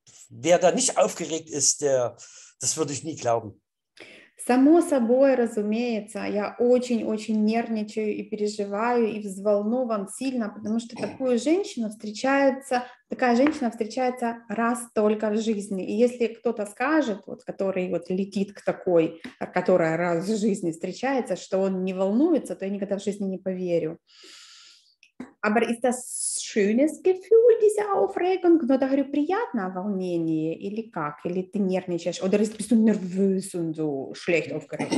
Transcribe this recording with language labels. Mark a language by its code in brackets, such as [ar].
[de] Wer da nicht aufgeregt ist, das würde ich nie glauben. [ru] Само собой разумеется, я очень-очень нервничаю и переживаю, и взволнован сильно, потому что такая женщина встречается раз только в жизни. И если кто-то скажет, вот, который вот летит к такой, которая раз в жизни встречается, что он не волнуется, то я никогда в жизни не поверю. [de] Aber ist das schönes Gefühl, diese Aufregung? Nur da habe ich nervnicher oder bist du nervös und so schlecht aufgeregt?